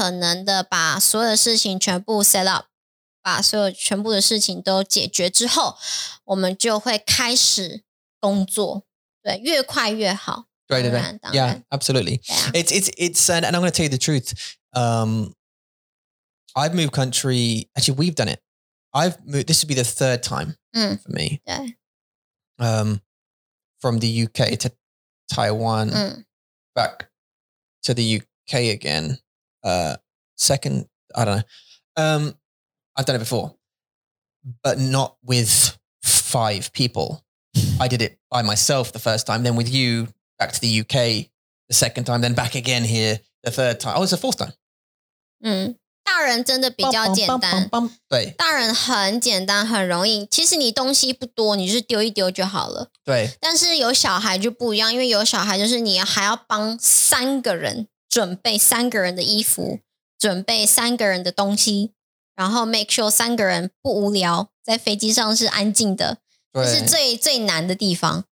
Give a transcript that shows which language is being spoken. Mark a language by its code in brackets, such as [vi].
[zh] 我们开始找了，但是我们还没有找到一个是真的可以住进去的房子，所以我们还需要就是做很多的功课，做很多的research，然后找我们适合我们的房子。所以就是找房子是最大最大的问题，还有找学校也是最大最大的问题。所以我们会尽可能的把所有的事情全部 set up， 把所有全部的事情都解决之后，我们就会开始。工作，对，越快越好。对对对，当然。 [en] Yeah, absolutely. Yeah. It's and I'm going to tell you the truth. I've moved country. Actually, we've done it. I've moved. This would be the third time for me. Yeah. From the UK to Taiwan, back to the UK again. Second, I don't know. I've done it before, but not with five people. I did it by myself the first time, then with you back to the UK the second time, then back again here the third time. Oh, it's the fourth time. [zh] 大人真的比较简单，对，大人很简单很容易，其实你东西不多，你就是丢一丢就好了，对，但是有小孩就不一样，因为有小孩就是你还要帮三个人准备三个人的衣服，准备三个人的东西，然后 [en] make sure [zh] 三个人不无聊，在飞机上是安静的，这是最最难的地方，